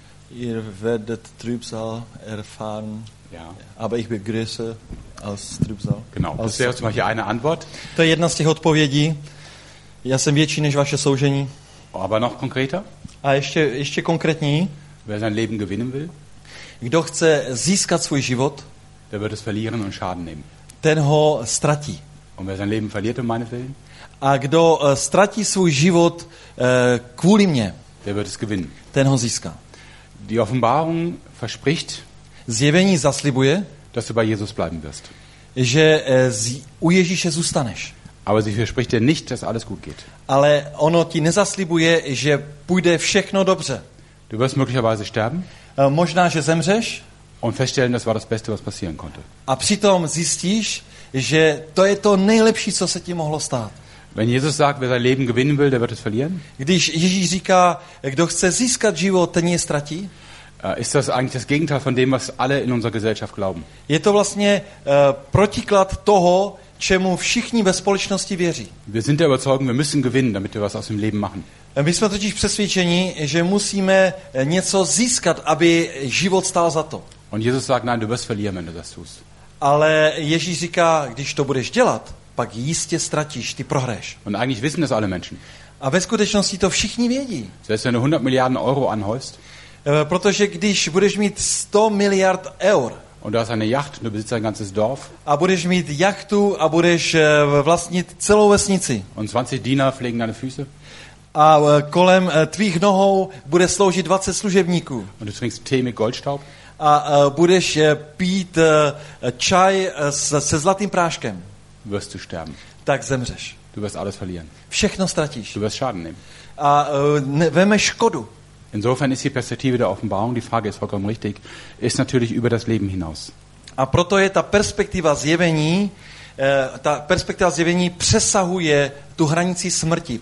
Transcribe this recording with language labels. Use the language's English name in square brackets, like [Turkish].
[German] Ihr werdet Trübsal erfahren, ja. Aber ich bin größer als Trübsal. Genau, das wäre zum Beispiel eine Antwort. [Czech] To je jedna z těch odpovědí. Já jsem větší než vaše soužení. [German] Aber noch konkreter? [Czech] A ještě konkrétněji. [German] Wer sein Leben gewinnen will? [Czech] Kdo chce získat svůj život? [German] Der wird es verlieren und Schaden nehmen. [Czech] Ten ho ztratí. [German] Und wer sein Leben verliert um meine Willen? [Czech] A kdo ztratí svůj život kvůli mně? [German] Der wird es gewinnen. [Czech] Ten ho získá. [German] Die Offenbarung verspricht, [Czech] Zjevení zaslibuje, [German] dass du bei Jesus bleiben wirst. [Czech] Že u Ježíše zůstaneš. [German] Aber sie verspricht dir nicht, dass alles gut geht. [Czech] Ale ono ti nezaslibuje, že půjde všechno dobře. [German] Du wirst möglicherweise sterben. [Czech] Možná, že zemřeš. [German] Und feststellen, das war das Beste, was passieren konnte. [Czech] A přitom zjistíš, že to je to nejlepší, co se ti mohlo stát. [German] Wenn Jesus sagt, wer sein Leben gewinnen will, der wird es verlieren. [Czech] Když Ježíš říká, kdo chce získat život, ten je ztratí. [German] Ist das eigentlich das Gegenteil von dem, was alle in unserer Gesellschaft glauben? [Czech] Je to vlastně protiklad toho, čemu všichni ve společnosti věří. [German] Wir sind der Überzeugung, wir müssen gewinnen, damit wir was aus dem Leben machen. [Czech] My jsme totiž přesvědčeni, že musíme něco získat, aby život stál za to. [German] Und Jesus sagt, nein, du wirst verlieren, wenn du das tust. [Czech] Ale Ježíš říká, když to budeš dělat, pak jistě ztratíš, ty prohráš. [German] Und eigentlich wissen das alle Menschen. [Czech] A ve skutečnosti to všichni vědí. [German] Selbst wenn du 100 Milliarden Euro anhäufst. [Czech] Protože když budeš mít 100 miliard eur. [German] Und du hast eine Yacht, du besitzt ein ganzes Dorf. [Czech] A budeš mít jachtu a budeš vlastnit celou vesnici. [German] Und 20 Diener pflegen deine Füße. [Czech] A kolem tvých nohou bude sloužit 20 služebníků. [German] Und du trinkst Tee mit Goldstaub. [Czech] A budeš pít čaj se zlatým práškem. [German] Wirst du sterben. [Czech] Tak zemřeš. [German] Du wirst alles verlieren. [Czech] Všechno ztratíš. [German] Du wirst Schaden nehmen. [Czech] A vezmeš škodu. [German] Insofern ist die Perspektive der Offenbarung, die Frage ist vollkommen richtig, ist natürlich über das Leben hinaus. [Czech] A proto je ta perspektiva zjevení, přesahuje tu hranici smrti.